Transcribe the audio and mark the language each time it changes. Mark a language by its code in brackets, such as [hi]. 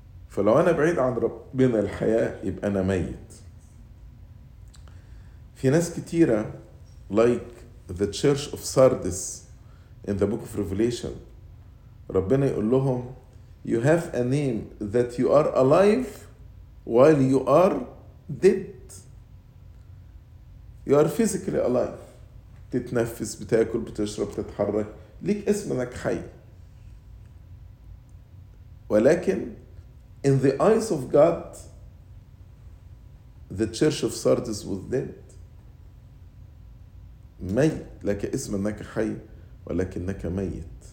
[ar] فلو أنا بعيد عن ربنا الحياة يبقى أنا ميت. في ناس كتيرة, [en] like the church of Sardis in the book of Revelation, [ar] ربنا يقول لهم, [en] you have a name that you are alive while you are dead. You are physically alive. [ar] تتنفس, بتاكل, بتشرب, تتحرك, ليك اسم انك حي. [en] ولكن in the eyes of God, the church of Sardis was dead. [ar] ميت, لك اسم انك حي ولكنك ميت.